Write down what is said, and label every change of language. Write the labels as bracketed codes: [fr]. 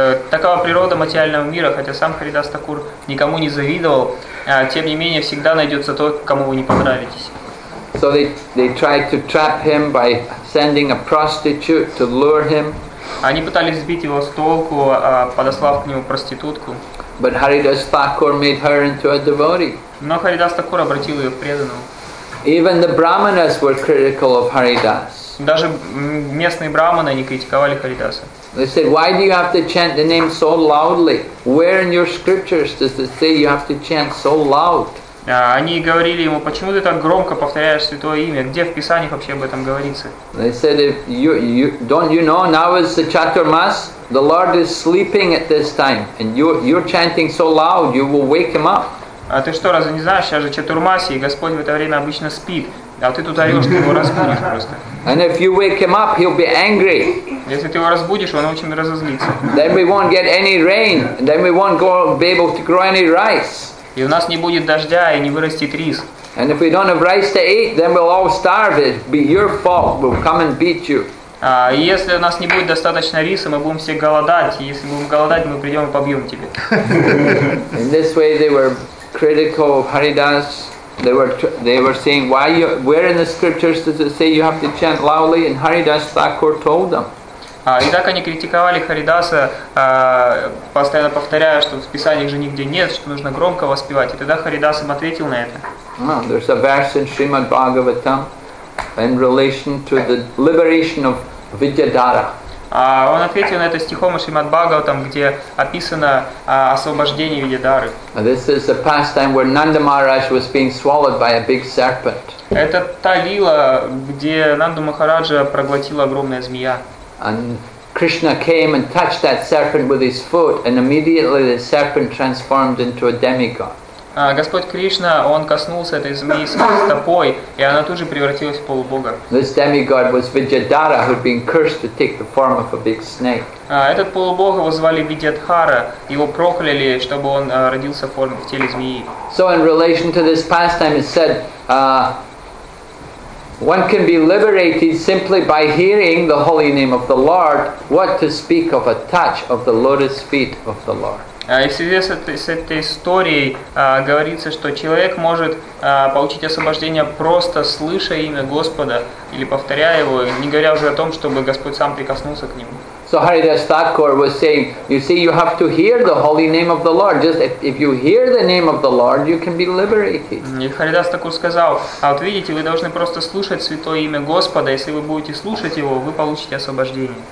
[ru] Такова природа материального мира, хотя сам Харидас Такур никому не завидовал, тем не менее всегда найдется тот, кому вы не понравитесь. [en] So they tried to trap him by sending a prostitute to lure him. [ru] Они пытались сбить его с толку, подослав к нему проститутку. [en] But Haridas Thakur made her into a devotee. [ru] Но Харидас Такур обратил ее в преданную. [en] Even the brahmanas were critical of Haridas. [ru] Даже местные брахманы не критиковали Харидаса. [en] They said, "Why do you have to chant the name so loudly? Where in your scriptures does it say you have to chant so loud?" [ru] Они говорили ему, почему ты так громко повторяешь святое имя? Где в Писаниях вообще об этом говорится? [en] They said, "Don't you know? Now is the Chaturmas. The Lord is sleeping at this time, and you're chanting so loud, you will wake him up." [ru] А ты что, разве не знаешь, сейчас же Чатурмаси, и Господь в это время обычно спит, а ты тут орешь, ты его разбудишь просто. [en] And if you wake him up, he'll be angry. [ru] Если ты его разбудишь, он очень разозлится. [en] Then we won't get any rain. Then we won't be able to grow any rice. [ru] И у нас не будет дождя, и не вырастет рис. [en] And if we don't have rice to eat, then we'll all starve. It'll be your fault. We'll come and beat you. [ru] И если у нас не будет достаточно риса, мы будем все голодать. И если будем голодать, мы придем и побьем тебя. [en] In this way, they were critical of Haridas. They were saying, why you? Where in the scriptures does it say you have to chant loudly? And Haridas Thakur told them. [ru] И так они критиковали Харидаса, постоянно повторяя, что в Писаниях же нигде нет, что нужно громко воспевать. И тогда Харидас им ответил на это. [en] There's a verse in Srimad Bhagavatam in relation to the liberation of Vidyadhara. [ru] Он ответил на это стихом из Шримад Бхагаватам, где описано освобождение Видьядхары. [en] This is the pastime where Nanda Maharaj was being swallowed by a big serpent. [ru] Это та лила, где Нанда Махараджа проглотила огромная змея. [en] And Krishna came and touched that serpent with his foot, and immediately the serpent transformed into a demigod. [ru] Господь Кришна, он коснулся этой змеи стопой, и она тут же превратилась в полубога. [en] This demigod was Vidyadhara, who had been cursed to take the form of a big snake. [ru] Этот полубога его звали Видьядхара, его прокляли, чтобы он родился в теле змеи. [en] So in relation to this pastime, it said, one can be liberated simply by hearing the holy name of the Lord, what to speak of a touch of the lotus feet of the Lord. [ru] И в связи с этой историей говорится, что человек может получить освобождение, просто слыша имя Господа или повторяя его, не говоря уже о том, чтобы Господь сам прикоснулся к нему. [en] So Haridas Thakur was saying, you see, you have to hear the holy name of the Lord. Just if you hear the name of the Lord, you can be liberated. [ru] И Харидас Такур сказал, а вот видите, вы должны просто слушать святое имя Господа. Если вы будете слушать его, вы получите освобождение.